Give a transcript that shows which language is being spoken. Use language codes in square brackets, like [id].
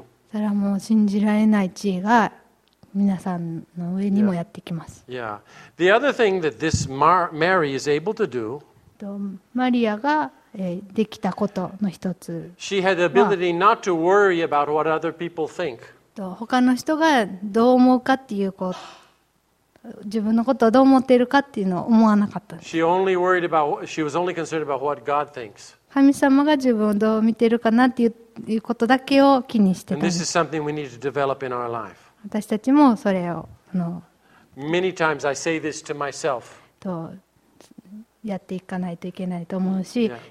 [ja] それはもう信じられない知恵が皆さんの上にもやってきます。 [en] The other thing that this Mary is able to do、 [ja] マリアができたことの一つ、 [en] She had the ability not to worry about what other people think. [ja] 他の人がどう思うかっていう、こう自分のことをどう思っているかっていうのを思わなかった。 [en] She only worried about, she was only concerned about what God thinks. [ja] 神様が自分をどう見てるかなっていういうことだけを気にしてた。 [en] And this is something we need to develop in our life. [ja] 私たちもそれを [en] Many times I say this to myself. [ja] とやっていかないといけないと思うし、